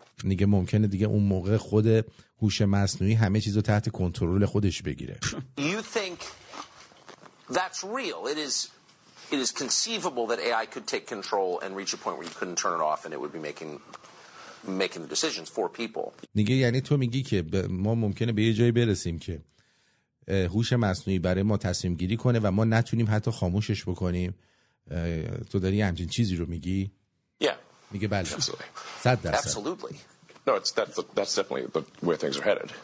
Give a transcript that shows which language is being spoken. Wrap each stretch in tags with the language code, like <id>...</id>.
<fa>میگه ممکنه دیگه اون موقع خود هوش مصنوعی همه چیز رو تحت کنترل خودش بگیره.</fa> <en>You think that's real? It is conceivable that AI could take control and reach a point where you couldn't turn it off and it would be making the decisions for people.</en> <fa>میگه یعنی تو میگی که ما ممکنه به یه جایی برسیم که هوش مصنوعی برای ما تصمیم گیری کنه و ما نتونیم حتی خاموشش بکنیم. تو داری همچین چیزی رو میگی؟</fa> <en>Yeah.</en> <fa>میگه بله.</fa> <en>Absolutely. No, that's definitely where things are headed.</en>